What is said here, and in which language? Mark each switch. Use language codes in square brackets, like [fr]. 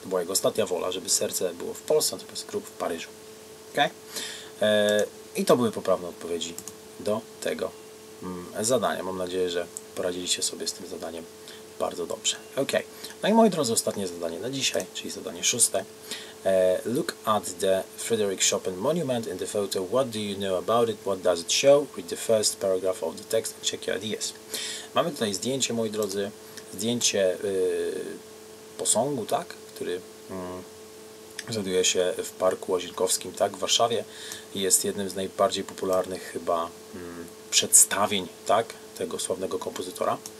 [pl] To była jego ostatnia wola, żeby serce było w Polsce, natomiast grób w Paryżu. Okay. I to były poprawne odpowiedzi do tego zadania. Mam nadzieję, że poradziliście sobie z tym zadaniem bardzo dobrze. Ok. No i moi drodzy, ostatnie zadanie na dzisiaj, czyli zadanie szóste. [en] Look at the Frederic Chopin monument in the photo. What do you know about it? What does it show? Read the first paragraph of the text and check your ideas. [pl] Mamy tutaj zdjęcie, moi drodzy, zdjęcie posągu, tak, który znajduje się w Parku Łazienkowskim, tak, w Warszawie. Jest jednym z najbardziej popularnych chyba przedstawień, tak, tego sławnego kompozytora.